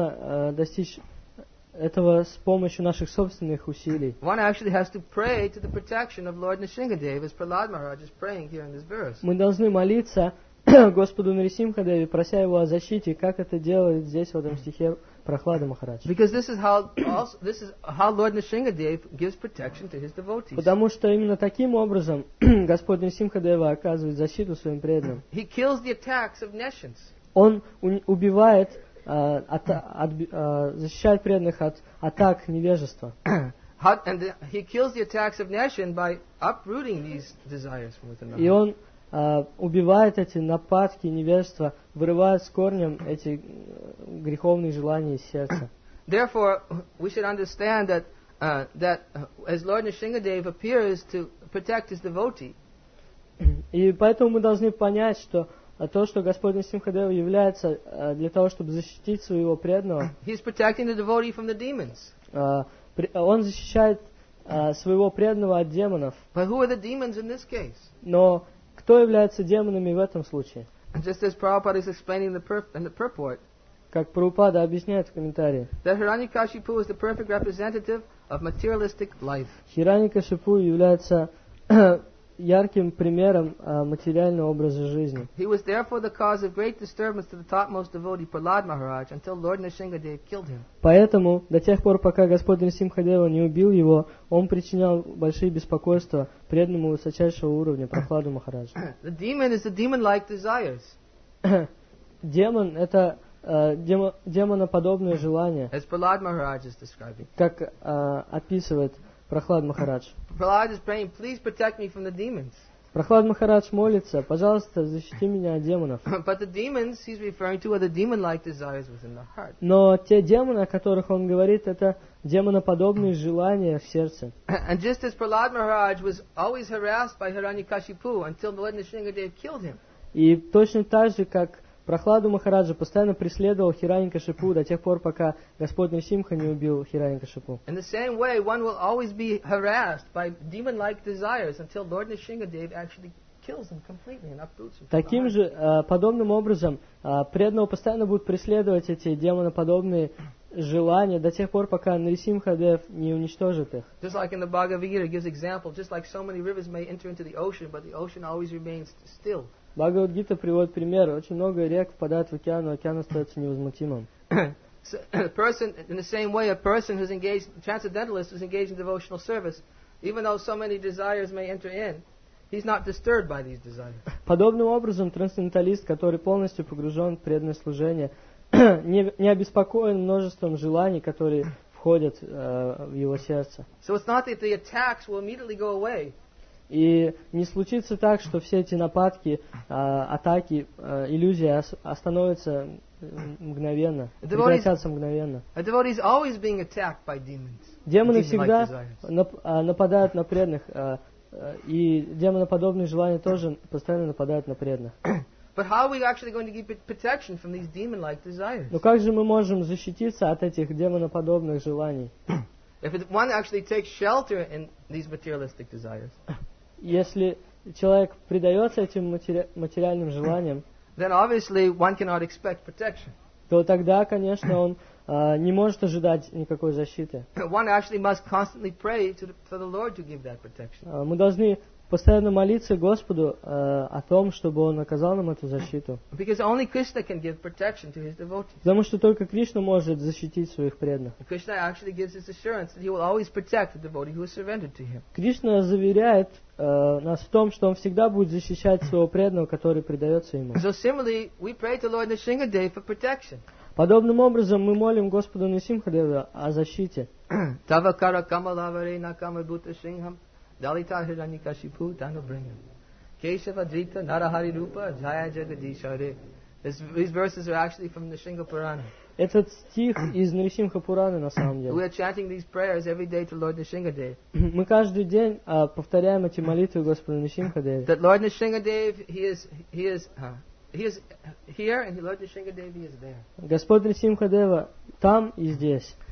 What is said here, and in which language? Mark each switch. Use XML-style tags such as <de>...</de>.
<ru>Невозможно достичь этого с помощью наших собственных усилий.</ru> <en>One actually has to pray to the protection of Lord Nrisimhadeva, as Prahlad Maharaj is praying here in this verse.</en> <ru>Мы должны молиться Господу Нрисимхадеве, прося его о защите, как это делает здесь в этом стихе Прохлада Махарадж.</ru> <en>Because this is how Lord Nrisimhadev gives protection to his devotees.</en> <ru>Потому что именно таким образом Господь Нрисимхадева оказывает защиту своим преданным.</ru> <en>He kills the attacks of nescience.</en> <ru>Он убивает защищает преданных от атак невежества.</ru> <en>And he kills the attacks of nescience by uprooting these desires from within the heart.</en> <ru>И он убивает эти нападки невежества, вырывает с корнем эти греховные желания из сердца.</ru> <en>Therefore, we should understand that as Lord Nrisimhadev appears to protect his devotee.</en> <ru>И поэтому мы должны понять, что то, что Господь Нрисимхадева является для того, чтобы защитить своего преданного.</ru> <en>He's protecting the devotee from the demons.</en> <ru>Он защищает своего преданного от демонов.</ru> <en>But who are the demons in this case?</en> <ru>Но кто является демонами в этом случае?</ru> <en>Just as Prabhupada is explaining in the purport,</en> <ru>как Прабхупада объясняет в комментарии,</ru> <en>that Hiranyakashipu is the perfect representative of materialistic life.</en> <ru>Hiranyakashipu является ярким примером материального образа жизни.</ru> <en>He was therefore the cause of great disturbance to the topmost devotee Prahlad Maharaj until Lord Nrisimhadev killed him.</en> <ru>Поэтому до тех пор, пока Господь Нрисимхадева не убил его, он причинял большие беспокойства преданному высочайшего уровня Прахладу Махараджу.</ru> <en>The demon is the demon-like desires.</en> <ru>Демон — это демоноподобное желание.</ru> <en>As Prahlad Maharaj is describing.</en> <ru>Как описывает Прохлад Махарадж.</ru> <en>Prahlad is praying, please protect me from the demons.</en> <ru>Прохлад Махарадж молится: «Пожалуйста, защити меня от демонов».</ru> <en>But the demons he's referring to are the demon-like desires within the heart.</en> <ru>Но те демоны, о которых он говорит, это демоноподобные желания в сердце.</ru> <en>And just as Prahlad Maharaj was always harassed by Hiranyakashipu until Lord Nrisimhadev killed him.</en> <ru>И точно так же, как Прохладу Махараджа постоянно преследовал Хираньякашипу до тех пор, пока Господь Нрисимха не убил Хираньякашипу.</ru> <en>In the same way, one will always be harassed by demon-like desires until Lord Nrisimhadev actually kills him completely and uproots him.</en> <ru>Таким же подобным образом преданного постоянно будут преследовать эти демоноподобные желания до тех пор, пока Нрисимхадев не уничтожит их.</ru> <en>Just like in the Bhagavad-gita, gives example, just like so many rivers may enter into the ocean, but the ocean always remains still.</en> <ru>Бхагавад-гита приводит пример: очень много рек впадает в океан, но океан остается невозмутимым.</ru> <en>In the same way, a person who's engaged, transcendentalist, who's engaged in devotional service, even though so many desires may enter in, he's not disturbed by these desires.</en> <ru>Подобным образом, трансценденталист, который полностью погружен в преданное служение, не обеспокоен множеством желаний, которые входят в его сердце.</ru> <en>So it's not that the attacks will immediately go away.</en> <ru>И не случится так, что все эти нападки, атаки, иллюзии остановятся мгновенно, прекратятся мгновенно.</ru> <en>A devotee is always being attacked by demons.</en> <ru>Демоны всегда нападают на преданных, и демоноподобные желания тоже постоянно нападают на преданных.</ru> <en>But how are we actually going to get protection from these demon-like desires?</en> <ru>Но как же мы можем защититься от этих демоноподобных желаний?</ru> <en>If one actually takes shelter in these materialistic desires.</en> <ru>Если человек предается этим материальным желаниям,</ru> <en>then obviously one cannot expect protection.</en> <ru>То тогда, конечно, он не может ожидать никакой защиты.</ru> <en>One actually must constantly pray for the Lord to give that protection.</en> <ru>Мы должны постоянно молиться Господу о том, чтобы Он оказал нам эту защиту.</ru> <en>Because only Krishna can give protection to His devotees.</en> <ru>Потому что только Кришна может защитить своих преданных.</ru> <en>Krishna actually gives His assurance that He will always protect the devotee who has surrendered to Him.</en> <ru>Кришна заверяет нас в том, что Он всегда будет защищать своего преданного, который предается Ему.</ru> <en>So similarly, we pray to Lord Nrisimhadev for protection.</en> <ru>Подобным образом мы молим Господу Нрисимхадеву о защите.</ru> <sa>Тавакара камалаваре накама бута сингхам Dalita Hiranyakashipu Tanubringam Keshava Drita Narahari Rupa Jaya Jagadishare.</sa> <en>These verses are actually from the Nrisimha Purana.</en> <ru>Этот стих из Нрисимха Пурана на самом деле.</ru> <en>We are chanting these prayers every day to Lord Nrisimhadev.</en> <ru>Мы каждый день повторяем эти молитвы Господу Нрисимхадеву.</ru> <en>That Lord Nrisimhadev, he is here and Lord Nrisimhadev, he is there.</en> <ru>Господь Нрисимхадева там и здесь.</ru>